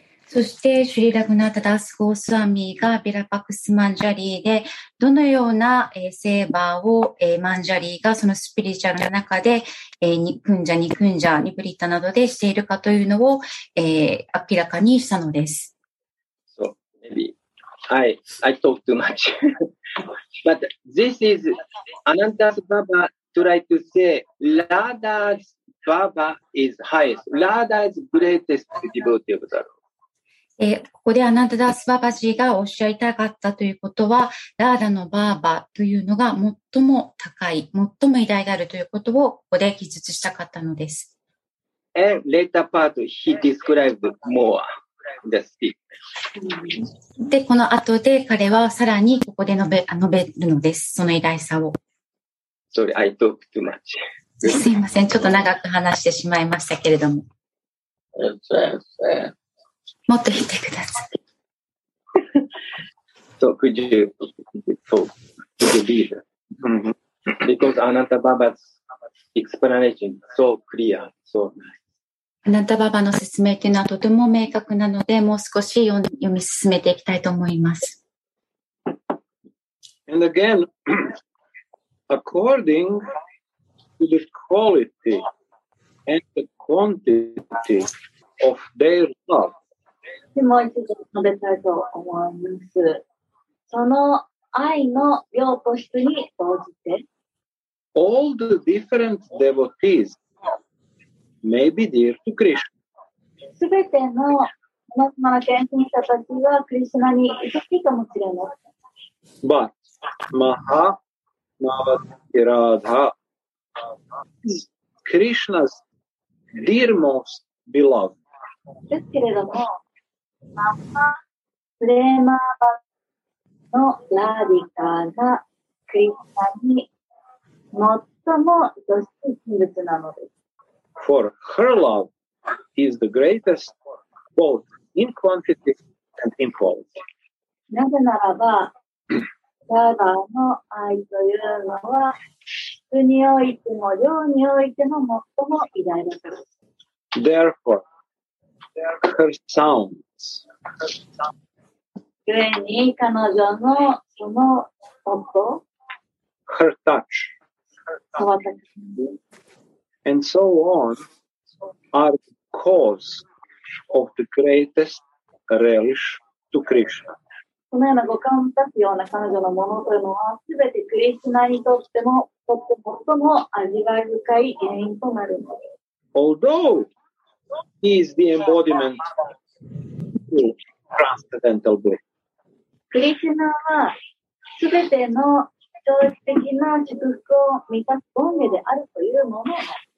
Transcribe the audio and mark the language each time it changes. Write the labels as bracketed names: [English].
[Japanese] そしてシュリ・ラグナタ・ダス・ゴースワミがビラパクス・マンジャリーでどのようなセーバーをマンジャリーがそのスピリチュアルの中でニクンジャ、ニクンジャ、ニブリッタなどでしているかというのを明らかにしたのです。 [English] So maybe I talk too much but this is Anantas Baba try to say Radha's Baba is highest. Radha is greatest devotee of the Lord. [Japanese] ここでアナンダダスババジがおっしゃいたかったということは、ラーダのバーバというのが最も高い、最も偉大であるということをここで記述したかったのです。 [English] And later part, he described more. [Japanese] でこの後で彼はさらにここで述べるのです、その偉大さを。 [English] Sorry, I talk too much. [Japanese] すいません、ちょっと長く話してしまいましたけれども、もっと言ってください。 [English] So could you talk to the leader? Because Ananta Baba's explanation is so clear, so nice. [Japanese] アナンダババの説明というのはとても明確なので、もう少し読み進めていきたいと思います。 [English] And again, according to the quality and the quantity of their love. [Japanese] もう一度述べたいと思います。その愛の量と質に応じて、 [English] All the different devotees maybe dear to Krishna. [Japanese] すべてのさまざまな献身者たちはクリシナに愛しいかもしれない。 [English] But Mahamavatirada, Krishna's dearmost beloved. [Japanese] ですけれども、マハプレマバのラディカがクリシナに最も愛しい人物なのです。 [English] For her love is the greatest both in quantity and in quality. [Japanese] なぜならば、ラーダの愛というのは、質においても量においても最も偉大です。 [English] Therefore, her sounds. [Japanese] ゆえに彼女のその音、 [English] her touch. And so on are the cause of the greatest relish to Krishna. [Japanese] このような五感を満たすような彼女のものというのは、すべてクリシナにとっても、とっても最も味わい深い原因となるのです。 [English] Although he is the embodiment of transcendental bliss. [Japanese] クリシナはすべての超越的な祝福を満たす権限であるというものです。